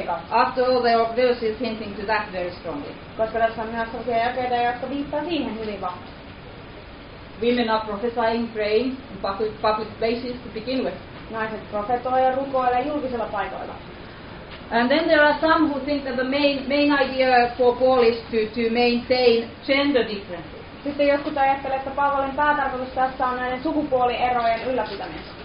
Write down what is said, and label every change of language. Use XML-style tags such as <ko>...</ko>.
<en>After all, they obviously is hinting to that very strongly.</en> <fi>Koska tässä on myös sellaisia jakeita, jotka viittaa siihen hyvin vahvasti.</fi> <en>Women are prophesying, praying on public places to begin with.</en> <fi>Naiset profetoivat ja rukoilevat julkisilla paikoilla.</fi> <en>And then there are some who think that the main idea for Paul is to maintain gender differences.</en> <fi>Sitten jotkut ajattelevat, että Paavalin päätarkoitus tässä on näiden sukupuolierojen ylläpitäminen.</fi>